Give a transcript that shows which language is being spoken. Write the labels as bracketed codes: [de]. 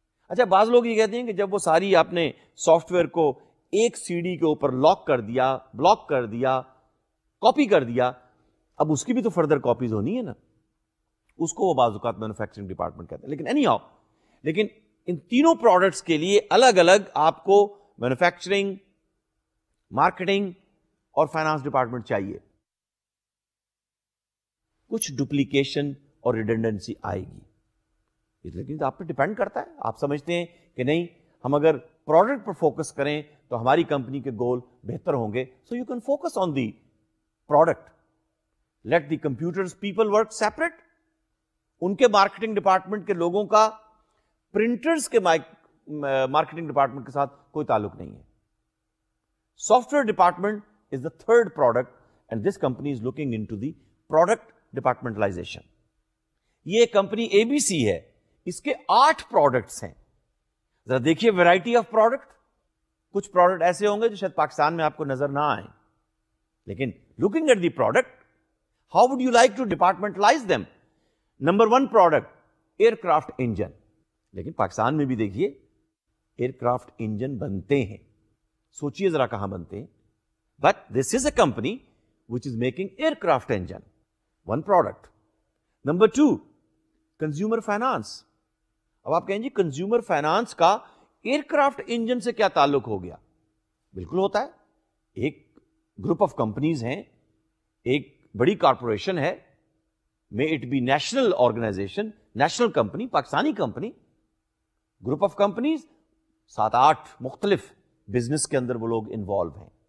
[ur] اچھا بعض لوگ یہ کہتے ہیں کہ جب وہ ساری آپ نے سافٹ ویئر کو ایک سی ڈی کے اوپر لاک کر دیا, بلاک کر دیا, کاپی کر دیا, اب اس کی بھی تو فردر کاپیز ہونی ہے نا. اس کو وہ بعض اوقات مینوفیکچرنگ ڈپارٹمنٹ کہتے ہیں. لیکن [en] anyhow, [ur] لیکن ان تینوں پروڈکٹس کے لیے الگ الگ آپ کو مینوفیکچرنگ, مارکیٹنگ اور فائنانس ڈپارٹمنٹ چاہیے. کچھ ڈپلیکیشن اور ریڈنڈنسی آئے گی, لیکن آپ پہ ڈپینڈ کرتا ہے. آپ سمجھتے ہیں کہ نہیں, ہم اگر پروڈکٹ پر فوکس کریں تو ہماری کمپنی کے گول بہتر ہوں گے. [en] so you can focus on the product, let the computers people work separate, [ur] ان کے مارکیٹنگ ڈپارٹمنٹ کے لوگوں کا پرنٹرز کے مارکیٹنگ ڈپارٹمنٹ کے ساتھ کوئی تعلق نہیں ہے. [en] Software department is the third product and this company is looking into the product departmentalization. [ur] یہ کمپنی اے بی سی ہے, اس کے 8 پروڈکٹس ہیں. ذرا دیکھیے ویرائٹی آف پروڈکٹ. کچھ پروڈکٹ ایسے ہوں گے جو شاید پاکستان میں آپ کو نظر نہ آئیں, لیکن [en] Looking at the product how would you like to departmentalize them. [ur] Number 1 product year craft engine. لیکن پاکستان میں بھی دیکھیے ایئر کرافٹ انجن بنتے ہیں, سوچیے ذرا کہاں بنتے ہیں. [en] But this is a company which is making aircraft engine, 1 product. [ur] Number 2 consumer finance. اب آپ کہیں جی کنزیومر فائنانس کا ایئر کرافٹ انجن سے کیا تعلق ہو گیا؟ بالکل ہوتا ہے. ایک گروپ آف کمپنیز ہیں, ایک بڑی کارپوریشن ہے, [en] may it be national organisation, [ur] national company, Pakistani company, group of companies, 7-8 مختلف بزنس کے اندر وہ لوگ انوالو ہیں.